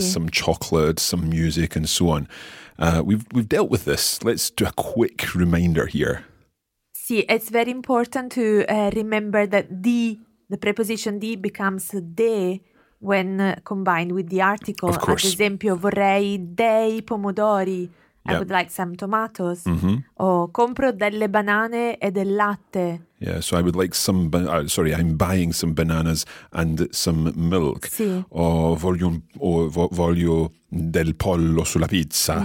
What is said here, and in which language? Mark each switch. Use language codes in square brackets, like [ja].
[en] Some chocolate, some music and so on. We've dealt with this. Let's do a quick reminder here. Sì, it's very important to remember that the preposition di becomes de when combined with the article. Of course. [it] Ad esempio, vorrei dei pomodori. [en] Yep. I would like some tomatoes. Mm-hmm. [it] O compro delle banane e del latte. [en] Yeah, so I would like some, I'm buying some bananas and some milk. [it] Sì. O voglio del pollo sulla pizza.